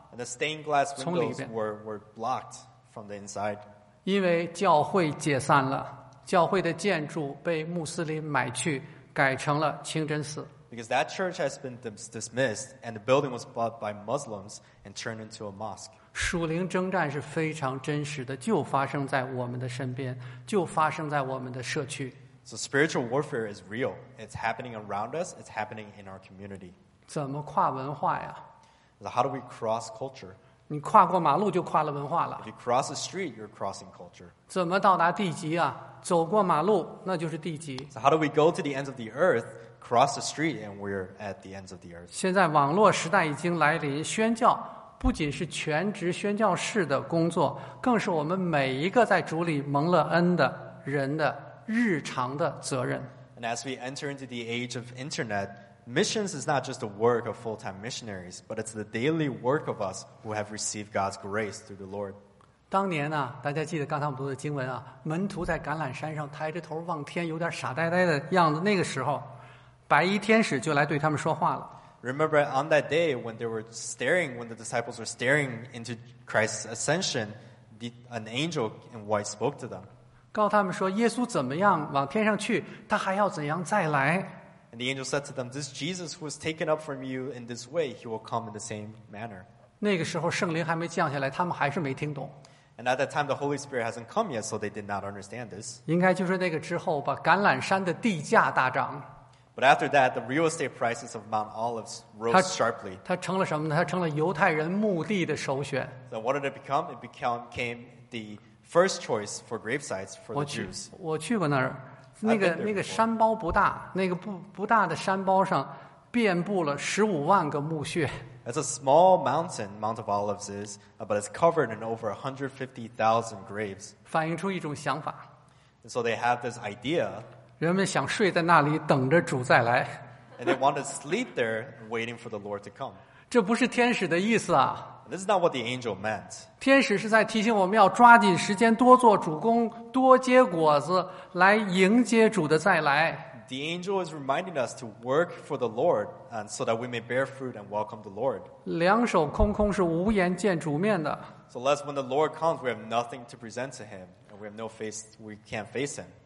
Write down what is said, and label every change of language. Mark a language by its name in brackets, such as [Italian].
[English] And the stained glass windows were blocked from the inside. [Chinese] 因为教会解散了，教会的建筑被穆斯林买去，改成了清真寺。 [English] Because that church has been dismissed and the building was bought by Muslims and turned into a mosque. [Chinese] 属灵征战是非常真实的，就发生在我们的身边，就发生在我们的社区。 [English] So spiritual warfare is real. It's happening around us. It's happening in our community. [Chinese] 怎么跨文化呀？ [English] So how do we cross culture? [Chinese] 你跨过马路就跨了文化了。 [English] If you cross the street, you're crossing culture. [Chinese] 怎么到达地极啊？走过马路，那就是地极。 [English] So how do we go to the ends of the earth? Cross the street and we're at the ends of the earth. [Chinese] 现在网络时代已经来临，宣教不仅是全职宣教士的工作，更是我们每一个在主里蒙了恩的人的日常的责任。 [English] And as we enter into the age of internet, missions is not just the work of full-time missionaries, but it's the daily work of us who have received God's grace through the Lord. [Chinese] 当年呢，大家记得刚才我们读的经文啊，门徒在橄榄山上抬着头望天，有点傻呆呆的样子，那个时候白衣天使就来对他们说话了。 [English] Remember on that day when they were staring, when the disciples were staring into Christ's ascension, an angel in white spoke to them. [Chinese] 告他们说耶稣怎么样往天上去，他还要怎样再来。 [English] And the angel said to them, this Jesus who was taken up from you in this way, he will come in the same manner. [Chinese] 那个时候圣灵还没降下来，他们还是没听懂。 [English] And at that time, the Holy Spirit hasn't come yet, so they did not understand this. [Chinese] 应该就是那个之后吧，橄榄山的地价大涨。 [English] But after that, the real estate prices of Mount Olives rose sharply. [Chinese] 它成了什么呢？它成了犹太人墓地的首选。 [English] So what did it become? It became the first choice for grave sites for the Jews. [Chinese] 我去过那儿，那个山包不大，那个不大的山包上，遍布了150,000个墓穴。 [English] It's a small mountain, Mount of Olives is, but it's covered in over 150,000 graves. [Chinese] 反映出一种想法。 [English] And so they have this idea. [Chinese] 人们想睡在那里等着主再来。 [English] And they want to sleep there waiting for the Lord to come. [Chinese] 这不是天使的意思啊。 [English] This is not what the angel meant. [Chinese] 天使是在提醒我们要抓紧时间多做主工多结果子来迎接主的再来。 [English] The angel is reminding us to work for the Lord and so that we may bear fruit and welcome the Lord. [Chinese] 两手空空是无颜见主面的。 [English] So lest when the Lord comes, we have nothing to present to him and we have no face, we can't face him.